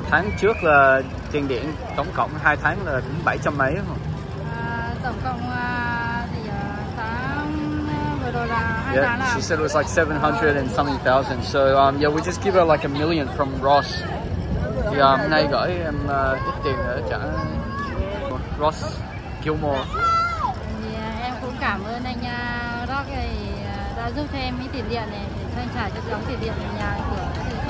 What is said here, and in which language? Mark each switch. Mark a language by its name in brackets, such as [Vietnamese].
[Vietnamese] Tháng trước là tiền điện tổng cộng 2 tháng là cũng 700 mấy. Tổng cộng [English] yeah, she said it was like 700 and something thousand. So yeah, we just give her like a million from Ross. [Vietnamese] Yeah, này gửi em ít tiền ở trả Ross Gilmour. Yeah, em cũng cảm ơn anh Ross đã giúp cho em ít tiền điện này, anh trả cho đóng tiền điện ở nhà cửa.